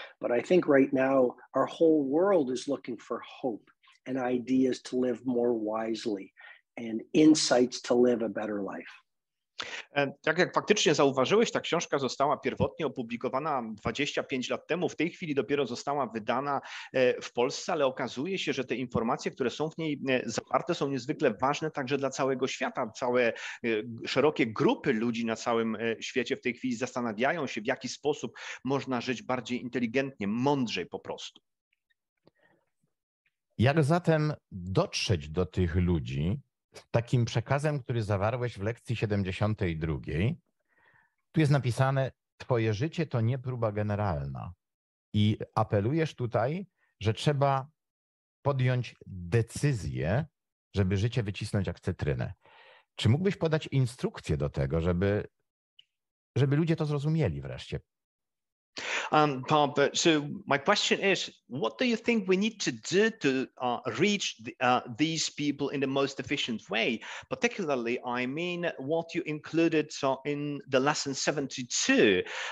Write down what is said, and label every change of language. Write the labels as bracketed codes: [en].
[en] But I think right now our whole world is looking for hope and ideas to live more wisely and insights to live a better life. [pl] Tak jak faktycznie zauważyłeś, ta książka została pierwotnie opublikowana 25 lat temu. W tej chwili dopiero została wydana w Polsce, ale okazuje się, że te informacje, które są w niej zawarte, są niezwykle ważne także dla całego świata. Całe szerokie grupy ludzi na całym świecie w tej chwili zastanawiają się, w jaki sposób można żyć bardziej inteligentnie, mądrzej po prostu. Jak zatem dotrzeć do tych ludzi takim przekazem, który zawarłeś w lekcji 72, tu jest napisane, twoje życie to nie próba generalna. I apelujesz tutaj, że trzeba podjąć decyzję, żeby życie wycisnąć jak cytrynę. Czy mógłbyś podać instrukcję do tego, żeby ludzie to zrozumieli wreszcie? [en] Bob, so my question is, what do you think we need to do to reach these people in the most efficient way? Particularly, I mean, what you included in the lesson 72.